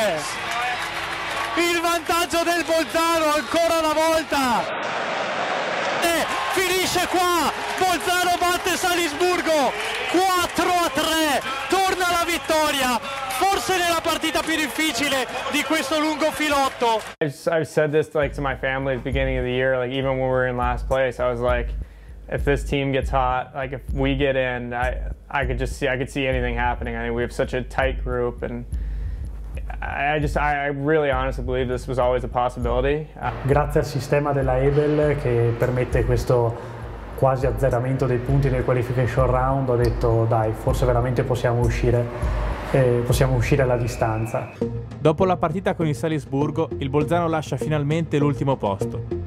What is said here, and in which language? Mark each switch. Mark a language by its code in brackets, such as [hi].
[it] Il vantaggio del Bolzano ancora una volta! E finisce qua! Bolzano batte Salisburgo! 4-3! Torna la vittoria! Forse nella partita più difficile di questo lungo filotto. [en] I've said this like to my family at the beginning of the year, like even when we were in last place, I was like, if this team gets hot, like if we get in, I could see anything happening. I mean, we have such a tight group, and I really honestly believe this was always a possibility. [it] Grazie al sistema della Ebel che permette questo quasi azzeramento dei punti nel qualification round, ho detto dai, forse veramente possiamo uscire. possiamo uscire alla distanza. Dopo la partita con il Salisburgo, il Bolzano lascia finalmente l'ultimo posto.